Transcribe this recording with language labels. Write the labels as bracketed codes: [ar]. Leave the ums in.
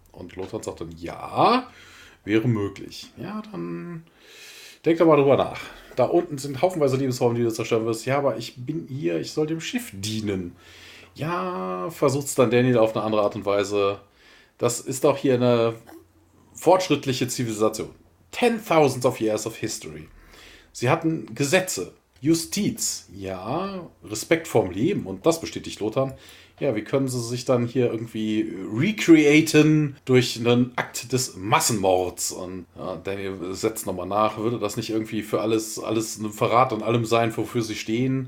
[de] Und Lothar sagt dann, ja, wäre möglich. Ja, dann denk doch mal drüber nach. Da unten sind haufenweise Lebensformen, die du zerstören wirst. Ja, aber ich bin hier, ich soll dem Schiff dienen. Ja, versucht's dann Daniel auf eine andere Art und Weise. Das ist doch hier eine fortschrittliche Zivilisation. [en] Ten thousands of years of history. [de] Sie hatten Gesetze, Justiz, ja, Respekt vorm Leben und das bestätigt Lothar. Ja, wie können sie sich dann hier irgendwie recreaten durch einen Akt des Massenmords? Und ja, Daniel setzt nochmal nach, würde das nicht irgendwie für alles, alles ein Verrat an allem sein, wofür sie stehen?